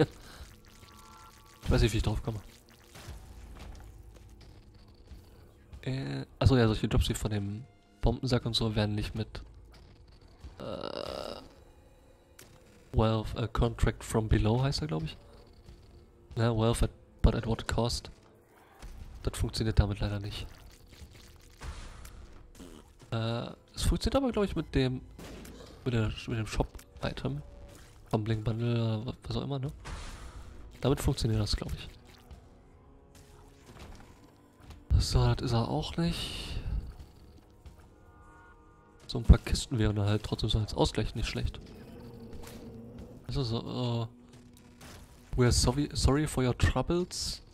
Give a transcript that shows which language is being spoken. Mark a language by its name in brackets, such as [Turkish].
[German] Ich weiß nicht, wie ich drauf komme. Achso, ja, solche Jobs wie von dem Bombensack und so werden nicht mit Wealth Contract from Below heißt er, glaube ich. [English] Ne, Wealth but at what cost? [German] Das funktioniert damit leider nicht. Es funktioniert aber, glaube ich, mit dem mit dem Shop-Item. Bumbling Bundle, was auch immer, ne? Damit funktioniert das, glaube ich. So, das ist er auch nicht. So ein paar Kisten wären da halt trotzdem so als Ausgleich nicht schlecht. Also so, [English] we are sorry for your troubles.